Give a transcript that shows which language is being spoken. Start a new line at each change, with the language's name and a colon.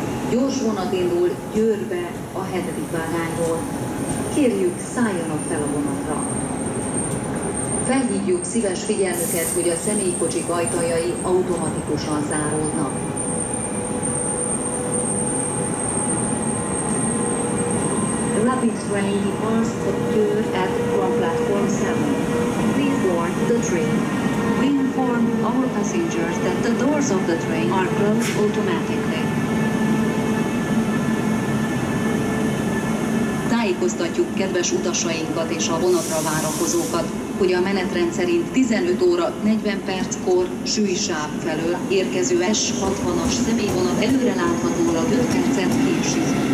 Hungarian: Gyors vonat indul Győrbe a 7. vágányról. Kérjük, szálljanak fel a vonatra. Felhívjuk szíves figyelmüket, hogy a személykocsi ajtajai automatikusan záródnak.
English: Rapid train departs to Győr at from platform 7. Please board the train. We inform our passengers that the doors of the train are closed automatically.
Hungarian: Tájékoztatjuk kedves utasainkat és a vonatra várakozókat, hogy a menetrend szerint 15 óra 40 perckor Sűrűsáv felől érkező S60-as személyvonat előreláthatólag 5 percet késik.